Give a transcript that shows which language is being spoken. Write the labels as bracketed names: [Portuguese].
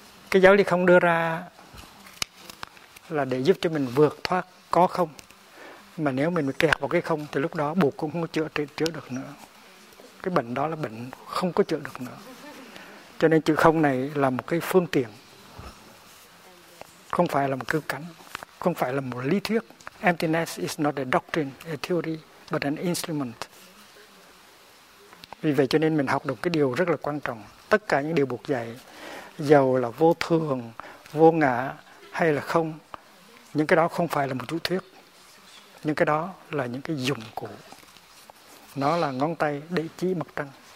[Vietnamese] Cái giáo lý không đưa ra là để giúp cho mình vượt thoát có không. Mà nếu mình bị kẹt vào cái không thì lúc đó Bụt cũng không chữa được nữa. Cái bệnh đó là bệnh không có chữa được nữa. Cho nên chữ không này là một cái phương tiện, không phải là một cứu cánh, không phải là một lý thuyết. [English] Emptiness is not a doctrine, a theory, but an instrument. [Vietnamese] Vì vậy cho nên mình học được cái điều rất là quan trọng. Tất cả những điều Bụt dạy, dầu là vô thường, vô ngã hay là không, những cái đó không phải là một chú thuyết. Những cái đó là những cái dụng cụ. Nó là ngón tay để chỉ mặt trăng.